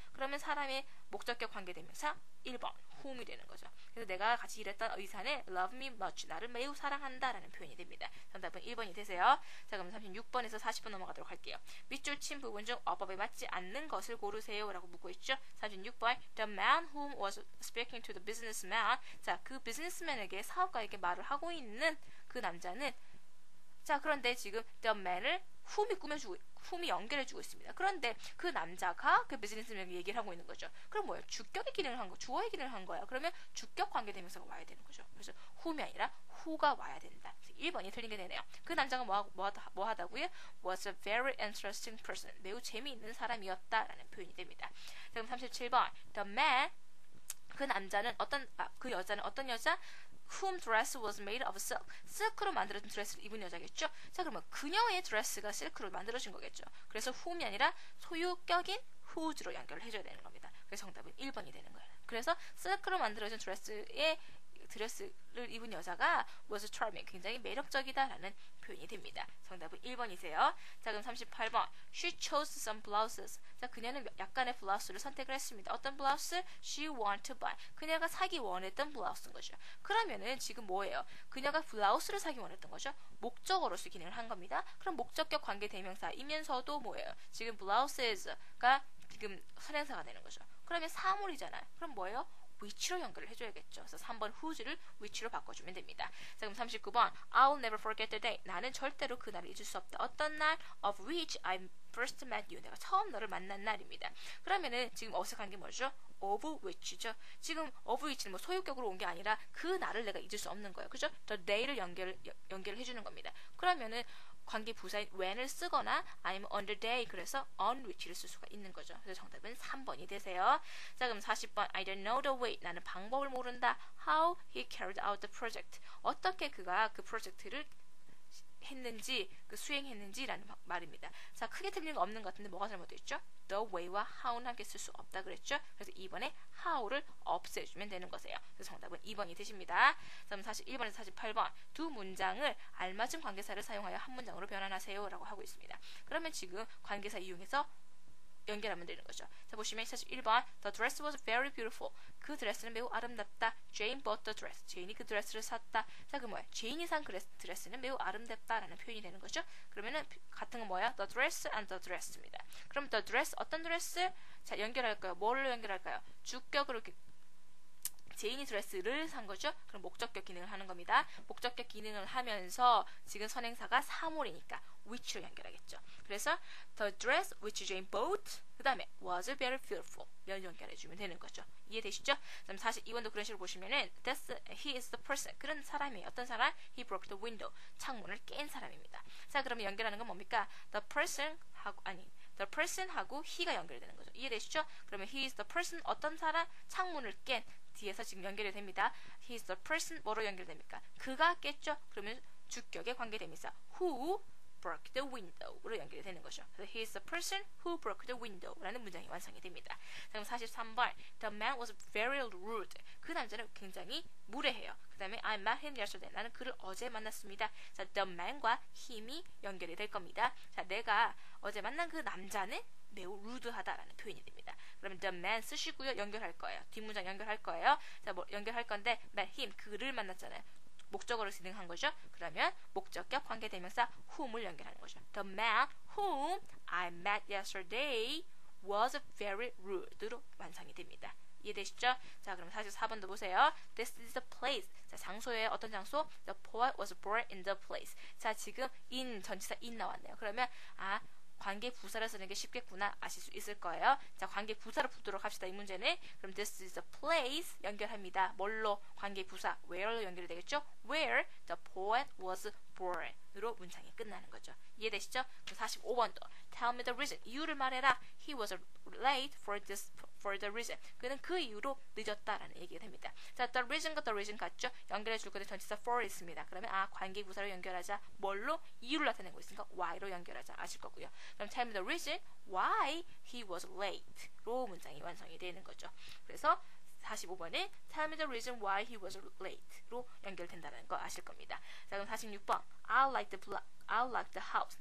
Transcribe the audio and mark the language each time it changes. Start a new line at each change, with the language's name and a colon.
Korean: 그러면 사람의 목적격 관계되면서 1번, whom이 되는 거죠. 그래서 내가 같이 일했던 의사는
English: love me much,
Korean: 나를 매우 사랑한다 라는 표현이 됩니다. 정답은 1번이 되세요. 자, 그럼 36번에서 40번 넘어가도록 할게요. 밑줄 친 부분 중 어법에 맞지 않는 것을 고르세요 라고 묻고 있죠.
English: 36번, the man whom was speaking to the businessman.
Korean: 자, 그 businessman에게, 사업가에게 말을 하고 있는 그 남자는, 자, 그런데 지금 the man을 whom이 꾸며주고 품이 연결해주고 있습니다. 그런데 그 남자가 그 비즈니스맨에게 얘기를 하고 있는 거죠. 그럼 뭐예요? 주격의 기능을 한 거, 주어의 기능을 한 거예요. 그러면 주격 관계되면서 와야 되는 거죠. 그래서 whom이 아니라 who가 와야 된다. 1번이 틀린 게 되네요. 그 남자가 뭐하다고요?
English: was a very interesting person.
Korean: 매우 재미있는 사람이었다 라는 표현이 됩니다. 그럼 37번
English: the man
Korean: 그 남자는 어떤 그 여자는 어떤 여자?
English: whom dress was made of silk.
Korean: 실크로 만들어진 드레스를 입은 여자겠죠? 자, 그러면 그녀의 드레스가 실크로 만들어진 거겠죠? 그래서 whom이 아니라 소유격인 whose로 연결을 해줘야 되는 겁니다. 그래서 정답은 1번이 되는 거예요. 그래서 실크로 만들어진 드레스를 입은 여자가
English: was charming,
Korean: 굉장히 매력적이다 라는 표현이 됩니다. 정답은 1번이세요. 자, 그럼 38번 she chose some blouses. 자, 그녀는 약간의 블라우스를 선택을 했습니다.
English: 어떤 블라우스? she want to buy.
Korean: 그녀가 사기 원했던 블라우스인 거죠. 그러면은 지금 뭐예요? 그녀가 블라우스를 사기 원했던 거죠. 목적어로서 기능을 한 겁니다. 그럼 목적격 관계대명사이면서도 뭐예요? 지금 blouses가 지금 선행사가 되는 거죠. 그러면 사물이잖아요. 그럼 뭐예요? which로 연결을 해줘야겠죠. 그래서 3번 whose를 which로 바꿔주면 됩니다.
English: 자, 그럼 39번 I'll never forget the day.
Korean: 나는 절대로 그 날을 잊을 수 없다.
English: 어떤 날? of which I first met you.
Korean: 내가 처음 너를 만난 날입니다. 그러면은 지금 어색한 게 뭐죠? of which죠. 지금 of which는 뭐 소유격으로 온 게 아니라 그 날을 내가 잊을 수 없는 거예요. 그죠? the day를 연결을 해주는 겁니다. 그러면은 관계 부사인 when을 쓰거나 아니면
English: on the day,
Korean: 그래서 on which를 쓸 수가 있는 거죠. 그래서 정답은 3번이 되세요.
English: 자, 그럼 40번 I don't know the way.
Korean: 나는 방법을 모른다.
English: How he carried out the project.
Korean: 어떻게 그가 그 프로젝트를 했는지, 그 수행했는지라는 말입니다. 자, 크게 틀린 거 없는 것 같은데 뭐가 잘못됐죠? the way와 how는 함께 쓸 수 없다 그랬죠? 그래서 2번에 how를 없애주면 되는 거세요. 그래서 정답은 2번이 되십니다. 그럼 41번에서 48번 두 문장을 알맞은 관계사를 사용하여 한 문장으로 변환하세요 라고 하고 있습니다. 그러면 지금 관계사 이용해서 연결하면 되는 거죠.
English: 자, 보시면 41번 The dress was very beautiful.
Korean: 그 드레스는 매우 아름답다.
English: Jane bought the dress.
Korean: 제인이 그 드레스를 샀다. 자, 그 뭐야? 제인이 산 드레스는 매우 아름답다라는 표현이 되는 거죠. 그러면은 같은 건 뭐야? The dress and the dress입니다. 그럼 the dress 어떤 드레스? 자, 연결할까요? 뭘로 연결할까요? 주격으로 제인이 드레스를 산 거죠. 그럼 목적격 기능을 하는 겁니다. 목적격 기능을 하면서 지금 선행사가 사물이니까 which로 연결하겠죠. 그래서
English: the dress which Jane bought
Korean: 그 다음에
English: was very beautiful
Korean: 를 연결해주면 되는 거죠. 이해되시죠?
English: 그럼 42번도 그런 식으로 보시면은 that's, he is the person.
Korean: 그런 사람이에요. 어떤 사람?
English: he broke the window.
Korean: 창문을 깬 사람입니다. 자, 그러면 연결하는 건 뭡니까? the person 하고 아니 the person 하고 he가 연결되는 거죠. 이해되시죠?
English: 그러면 he is the person 어떤 사람?
Korean: 창문을 깬 뒤에서 지금 연결이 됩니다.
English: he is the person 뭐로 연결됩니까?
Korean: 그가 깼죠? 그러면 주격에 관계됩니다.
English: who broke the window
Korean: 로 연결이 되는 거죠.
English: 그래서 he is the person who broke the window라는 문장이 완성이 됩니다. 자, 그럼 43번 the man was very rude.
Korean: 그 남자는 굉장히 무례해요.
English: 그 다음에 I met him yesterday.
Korean: 나는 그를 어제 만났습니다. 자,
English: the man
Korean: 과 him이 연결이 될 겁니다. 자, 내가 어제 만난 그 남자는 매우 rude하다라는 표현이 됩니다. 그러면 the man 쓰시고요. 연결할 거예요. 뒷문장 연결할 거예요. 자, 뭐 연결할 건데 met him 그를 만났잖아요. 목적으로 진행한 거죠. 그러면 목적격 관계대명사 whom을 연결하는 거죠.
English: The man whom I met yesterday was very rude로 완성이 됩니다.
Korean: 이해되시죠? 자, 그럼 44번도 보세요. This is the place. 자, 장소에 어떤 장소?
English: The poet was born in the place.
Korean: 자, 지금 in, 전치사 in 나왔네요. 그러면, 아, 관계 부사를 쓰는 게 쉽겠구나 아실 수 있을 거예요. 자, 관계 부사를 보도록 합시다. 이 문제는 그럼 this is the place 연결합니다. 뭘로 관계 부사 where로 연결이 되겠죠?
English: Where the poet was born으로 문장이 끝나는 거죠.
Korean: 이해되시죠?
English: 45번도 tell me the reason
Korean: 이유를 말해라.
English: He was late for this for the reason
Korean: 그는 그 이유로 늦었다라는
English: 얘기가 됩니다.
Korean: 자, the reason과 the reason 같죠? 연결해 줄 건데 전치사 for 있습니다. 그러면 아 관계 부사로 연결하자 뭘로 이유를 나타내고 있으니까 why로 연결하자 아실 거고요.
English: 그럼 tell me the reason why he was late로 문장이 완성이 되는 거죠. 그래서 45번에 tell me the reason why he was late로 연결된다는 거 아실 겁니다. 자, 그럼 46번 I like the house.